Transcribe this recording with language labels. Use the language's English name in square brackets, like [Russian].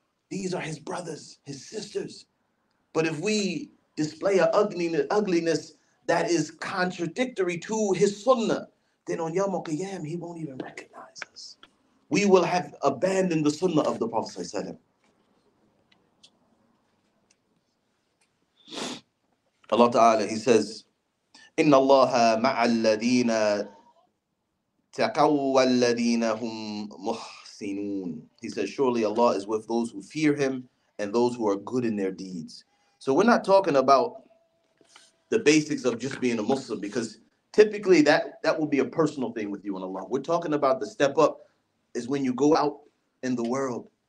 [English] These are his brothers, his sisters. But if we display an ugliness that is contradictory to his sunnah, then on Yawm al-Qiyam, he won't even recognize us. We will have abandoned the sunnah of the Prophet ﷺ. [Arabic] Allah Ta'ala, [English] he says, [Arabic] إِنَّ اللَّهَ مَعَ الَّذِينَ تَقَوَّ الَّذِينَ هُمْ مُحْسِنُونَ. [English] He says, surely Allah is with those who fear him and those who are good in their deeds. So we're not talking about the basics of just being a Muslim, because typically, that will be a personal thing with you and Allah. We're talking about the step up is when you go out in the world.